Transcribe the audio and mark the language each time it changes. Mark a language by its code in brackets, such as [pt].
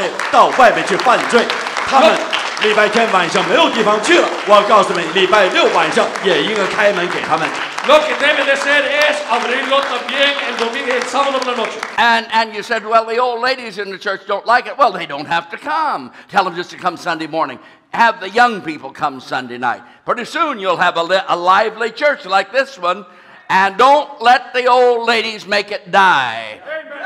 [zh] 难怪你们教会的年轻人到外面去犯罪，他们。礼拜天晚上没有地方去了，我告诉你们，礼拜六晚上也应该开门给他们。 [es] Lo que debe de ser es abrirlo también el domingo y el sábado por la noche. [en] And you said, well, the old ladies in the church don't like it. Well, they don't have to come. Tell them just to come Sunday morning. Have the young people come Sunday night. Pretty soon you'll have a lively church like this one. And don't let the old ladies make it die. Amen.